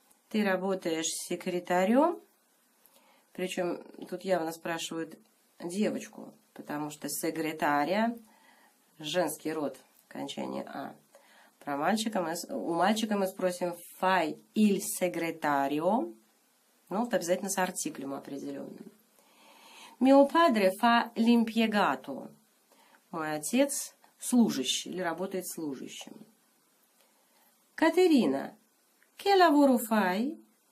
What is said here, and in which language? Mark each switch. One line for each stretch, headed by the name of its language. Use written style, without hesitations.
Russian: Ты работаешь секретарем. Причем тут явно спрашивают девочку, потому что секретария — женский род, окончание А. Про мальчика мы, у мальчика мы спросим
Italian: fai il segretario.
Russian: Ну, вот обязательно с артиклем определенным.
Italian: Mio padre fa l'impiegato.
Russian: Мой отец служащий или работает служащим.
Italian: Катерина, che lavoro fai?